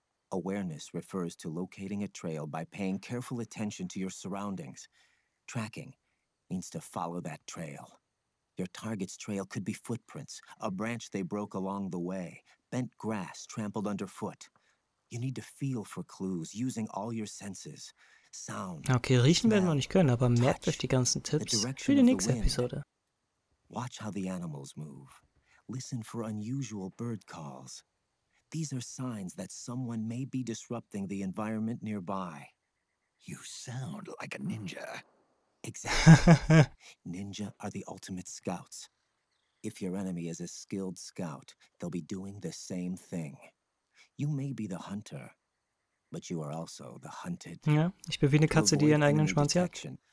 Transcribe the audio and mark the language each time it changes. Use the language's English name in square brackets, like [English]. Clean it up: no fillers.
[English] Awareness refers to locating a trail by paying careful attention to your surroundings. Tracking means to follow that trail. Your target's trail could be footprints, a branch they broke along the way, bent grass trampled underfoot. You need to feel for clues, using all your senses. Sound, [German] okay, riechen werden wir nicht können, aber merkt euch die ganzen Tipps für die nächste Episode. [English] Watch how the animals move. Listen for unusual bird calls. These are signs that someone may be disrupting the environment nearby. You sound like a ninja. Exactly. Ninja are the ultimate scouts. If your enemy is a skilled scout, they'll be doing the same thing. You may be the hunter, but you are also the hunted. [German] Ja, ich bin wie eine Katze, die ihren eigenen Schwanz jagt.